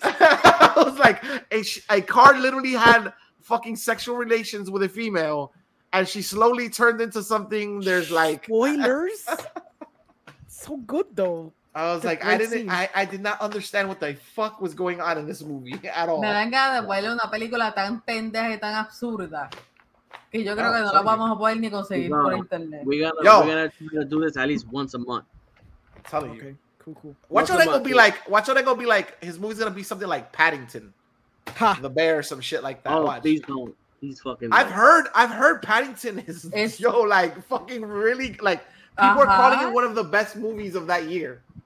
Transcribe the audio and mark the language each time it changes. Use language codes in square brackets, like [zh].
[en] I was like, a car literally had fucking sexual relations with a female. And she slowly turned into something. There's like spoilers. So good though. I was like, I did not understand what the fuck was going on in this movie at all. [es] Me dan ganas de ver una película tan pendeja y tan absurda que yo creo que no la vamos a poder ni conseguir por internet. [en] We're gonna do this at least once a month. I'm telling you. Okay. Cool. Watch what I go be like. His movie's gonna be something like Paddington, the bear, or some shit like that. Oh, watch. Please don't. He's fucking mad. I've heard Paddington is like fucking really like people are calling it one of the best movies of that year.